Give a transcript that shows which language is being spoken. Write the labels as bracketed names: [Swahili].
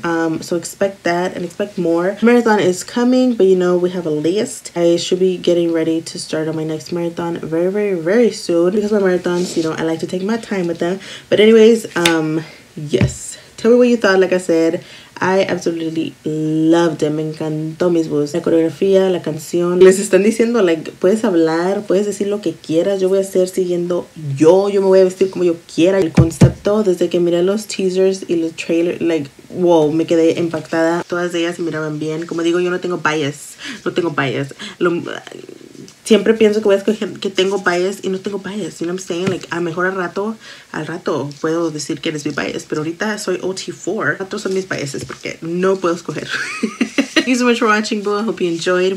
[English] So expect that and expect more. Marathon is coming, but you know, we have a list. I should be getting ready to start on my next marathon very, very, very soon. Because my marathons, you know, I like to take my time with them. But anyways, yes. Tell me what you thought. Like I said, I absolutely loved it. [Spanish] Me encantó mis voz. La coreografía, la canción. Les están diciendo, like, puedes hablar, puedes decir lo que quieras. Yo voy a estar siguiendo yo. Yo me voy a vestir como yo quiera. El concepto, desde que miré los teasers y los trailers, like, wow, me quedé impactada. Todas ellas miraban bien. Como digo, yo no tengo bias. No tengo bias. Siempre pienso que voy a escoger que tengo bias y no tengo bias. [English] You know what I'm saying? [Spanish] Like, a mejor al rato puedo decir que eres mi bias. Pero ahorita soy OT4. Otros son mis biases porque no puedo escoger. [English] Thank you so much for watching, boo. I hope you enjoyed.